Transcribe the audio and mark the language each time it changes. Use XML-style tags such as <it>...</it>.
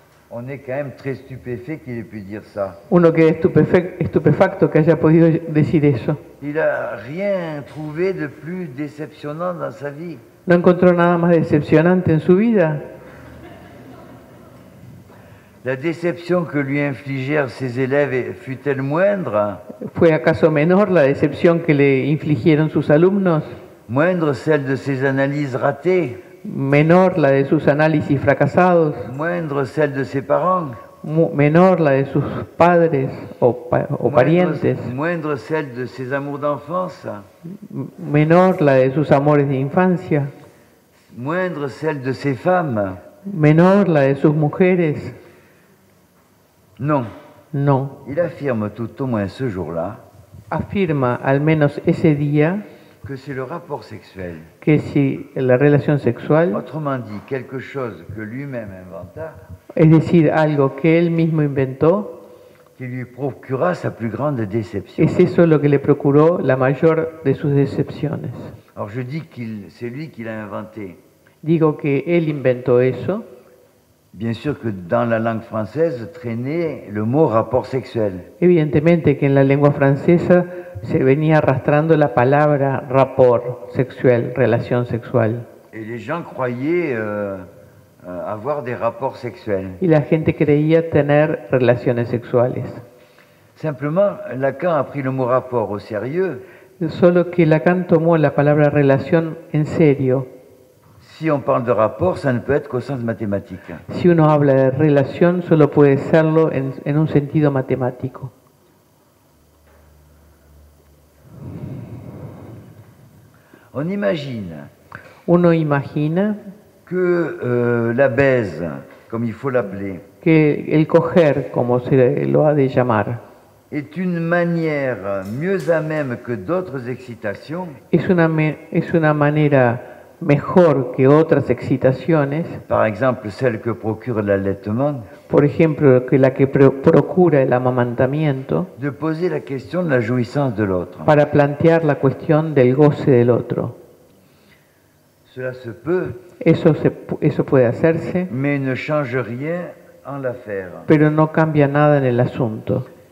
<fr>On est quand même très stupéfait qu'il ait pu dire ça.</fr> <es>Uno queda estupefacto que haya podido decir eso.</es> <fr>Il a rien trouvé de plus décevant dans sa vie.</fr> <es>No encontró nada más decepcionante en su vida.</es> <fr>La déception que lui infligèrent ses élèves fut-elle moindre?</fr> <es>¿Fue acaso menor la decepción que le infligieron sus alumnos?</es> <fr>Moindre celle de ses analyses ratées?</fr> <es>Menor la de sus análisis fracasados.</es> <fr>Moindre celle de ses parents.</fr> <es>Menor la de sus padres o parientes.</es> <fr>Moindre celle de ses amours d'enfance.</fr> <es>Menor la de sus amores de infancia.</es> <fr>Moindre celle de ses femmes.</fr> <es>Menor la de sus mujeres.</es> <fr>Non. Non. Il affirme tout au moins ce jour-là.</fr> <es>Afirma al menos ese día.</es> <fr>Que c'est le rapport sexuel.</fr> <es>Que si la relación sexual.</es> <fr>Autrement dit, quelque chose que lui-même inventa.</fr> <es>Es decir, algo que él mismo inventó.</es> <fr>Qui lui procura sa plus grande déception.</fr> <es>Es eso lo que le procuró la mayor de sus decepciones.</es> <fr>Alors je dis qu'il, c'est lui qui l'a inventé.</fr> <es>Digo que él inventó eso.</es> <fr>Bien sûr que dans la langue française traînait le mot rapport sexuel.</fr> <es>Evidentemente que en la lengua francesa se venía arrastrando la palabra rapport sexuel, relación sexual.</es> <fr>Et les gens croyaient avoir des rapports sexuels.</fr> <es>Y la gente creía tener relaciones sexuales.</es> <fr>Simplement, Lacan a pris le mot rapport au sérieux.</fr> <es>Solo que Lacan tomó la palabra relación en serio.</es> <fr>Si on parle de rapport, ça ne peut être qu'au sens mathématique.</fr> <es>Si uno habla de relación, solo puede serlo en un sentido matemático.</es> <fr>On imagine.</fr> <es>Uno imagina</es> <fr>que la baise, comme il faut l'appeler.</fr> <es>Que el coger, como se lo ha de llamar.</es> <fr>Est une manière mieux à même que d'autres excitations.</fr> <es>Es una manera mejor que otras excitaciones.</es> <fr>Par exemple, celle que procure l'allaitement.</fr> <es>Por ejemplo, que la que procura el amamantamiento.</es> <fr>De poser la question de la jouissance de l'autre.</fr> <es>Para plantear la cuestión del goce del otro.</es> <fr>Cela se peut.</fr> <es>Eso puede hacerse.</es> <fr>Mais ne change rien en l'affaire.</fr> <es>Pero no cambia nada en el asunto.</es>